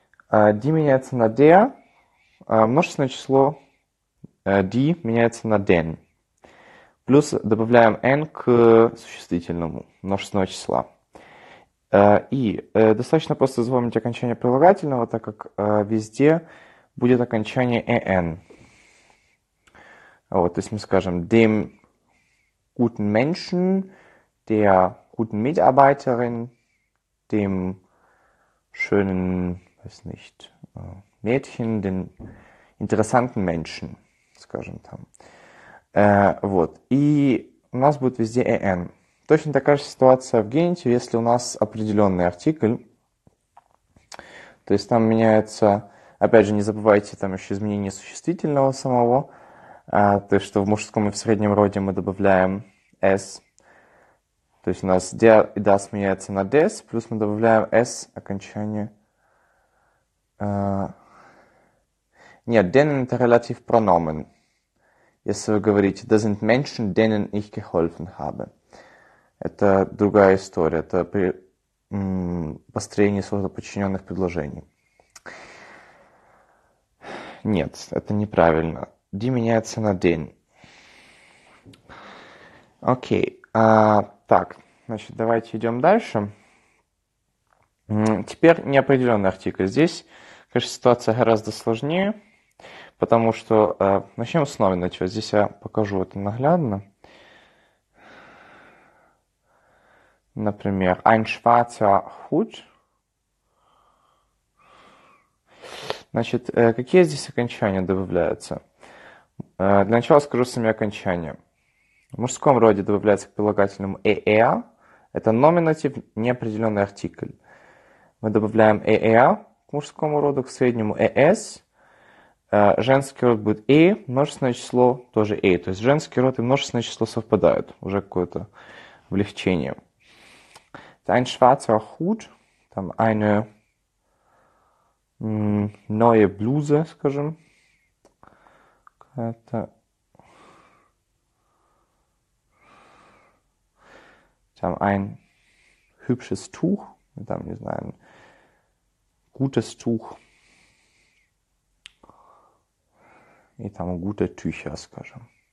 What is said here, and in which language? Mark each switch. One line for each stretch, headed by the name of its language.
Russian: D меняется на der, множественное число d меняется на den. Плюс добавляем n к существительному множественного числа. Достаточно просто запомнить окончание прилагательного, так как везде будет окончание en. Вот, то есть мы скажем
German: dem guten Menschen, der guten Mitarbeiterin, dem schönen, weiß nicht, Mädchen, den interessanten Menschen,
Russian: скажем там. Вот. И у нас будет везде en. Точно такая же ситуация в генитиве, если у нас определенный артикль. То есть там меняется, опять же, не забывайте, там еще изменение существительного самого. То есть, что в мужском и в среднем роде мы добавляем s. То есть у нас der и das меняется на des, плюс мы добавляем s окончание.
German: Нет, denen это relativ pronomen. Если вы говорите, das sind Menschen, denen ich geholfen habe.
Russian: Это другая история. Это при построении сложно подчиненных предложений. Нет, это неправильно. D меняется на den. Окей. Так, значит, давайте идем дальше. Теперь неопределенный артикль. Здесь, конечно, ситуация гораздо сложнее, потому что начнем с номина. Здесь я покажу это наглядно.
German: Например, ein schwarzer Hut.
Russian: Значит, какие здесь окончания добавляются? Для начала скажу сами окончания. В мужском роде добавляется к прилагательному ээ. Это номинатив, неопределенный артикль. Мы добавляем ээ к мужскому роду, к среднему эс. Женский род будет и, множественное число тоже и. То есть женский род и множественное число совпадают. Уже какое-то облегчение.
German: Ein schwarzer Hut, там eine neue Bluse, скажем.
Russian: Это там
German: ein hübsches Tuch,
Russian: там, не знаю,
German: ein gutes Tuch
Russian: и там
German: gute Tücher,
Russian: скажем.